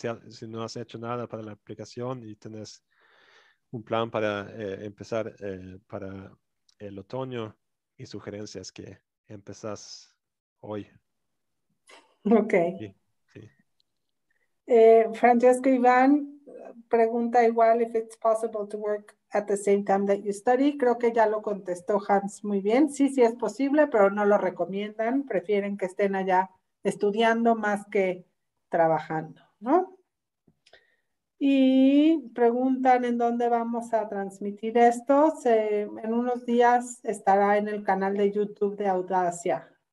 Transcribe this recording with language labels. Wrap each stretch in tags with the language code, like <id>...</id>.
<es>si no has hecho nada para la aplicación y tienes un plan para empezar para el otoño, mi sugerencia es que empezás hoy. Ok. Sí.</es> <en>Francesco Iván</en> <es>pregunta igual</es> <en>if it's possible to work at the same time that you study.</en> <es>Creo que ya lo contestó Hans muy bien. Sí, sí es posible, pero no lo recomiendan. Prefieren que estén allá estudiando más que trabajando, ¿no? Y preguntan en dónde vamos a transmitir esto. En unos días estará en el canal de YouTube de Audacia.</es>